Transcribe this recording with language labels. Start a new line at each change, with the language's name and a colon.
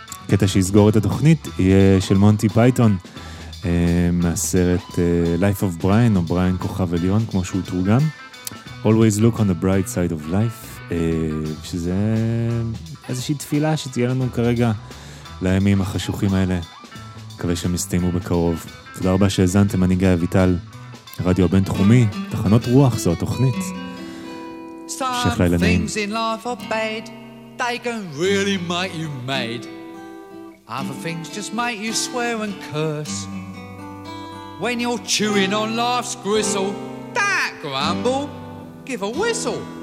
Hebrew: קטע שיסגור את התוכנית יהיה של מונטי פייטון, מהסרט Life of Brian, או Brian כוכב עליון, כמו שהוא תורגם.
English: Always look on the bright side of life.
Hebrew: שזה איזושהי תפילה שתהיה לנו כרגע לימים החשוכים האלה. מקווה שהם יסתיימו בקרוב. תודה רבה שהזנתם, אני גיא אביטל, רדיו הבינתחומי, תחנות רוח, זו התוכנית. שכלה אל הנעים.
English: Some things in life are bad, they can really make you mad. Other things just make you swear and curse. When you're chewing on life's gristle, that grumble, give a whistle.